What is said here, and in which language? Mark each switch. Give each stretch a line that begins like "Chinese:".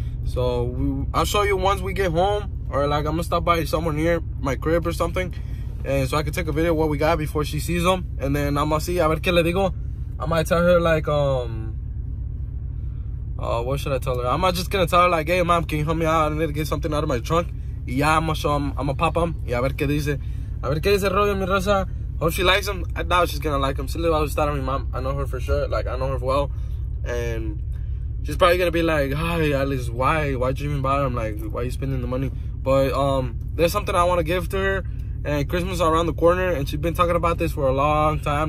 English: So I'll show you once we get home, or like I'm gonna stop by somewhere near my crib or something, and so I can take a video of what we got before she sees them. And then I'ma see,
Spanish: a ver qué le digo.
English: I might tell her like, what should I tell her? I'm just gonna tell her like, hey mom, can you help me out? I need to get something out of my trunk. Yeah, I'ma show them. I'ma pop them.
Spanish: Y a ver qué dice rollo mi raza.
English: Hope she likes him. I doubt she's gonna like him. She lives outside of me, mom. I know her for sure. Like, I know her well. And she's probably gonna be like, hi, Alex, why? Why'd you even buy him? Like, why are you spending the money? But there's something I wanna give to her. And Christmas is around the corner. And she's been talking about this for a long time.